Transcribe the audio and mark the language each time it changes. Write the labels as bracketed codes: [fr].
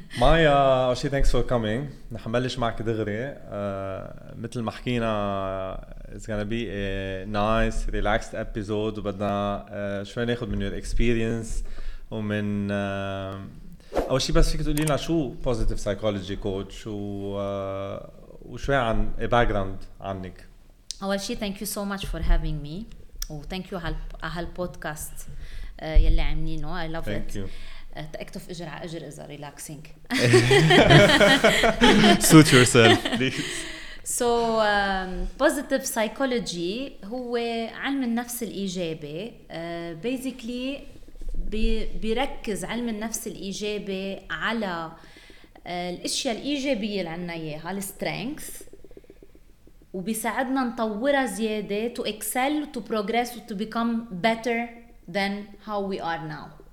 [en] مايا, أوشي thanks for coming. [ar] رح نبلش معك دغري. مثل ما حكينا [en] it's gonna be a nice relaxed episode, [ar] وبدنا شوي ناخد من [en] your experience [ar] ومن أول شيء, بس فيك تقولي لنا شو positive psychology coach وشوي عن background عنك. أول شيء [en] thank you so much for having me, [ar] و [en] thank you [ar] هالبودكاست يلي عاملينه. [en] I love thank You. [ar] تأكتف أجر على أجر إذا relaxing. [en] Suit yourself, please. [ar] So positive psychology هو علم النفس الإيجابي. Basically بيركز علم النفس الإيجابي على الأشياء الإيجابية اللي عنا إياها, على strength, وبيساعدنا نطورها زيادة [en] to excel, to progress, to become better than how we are now.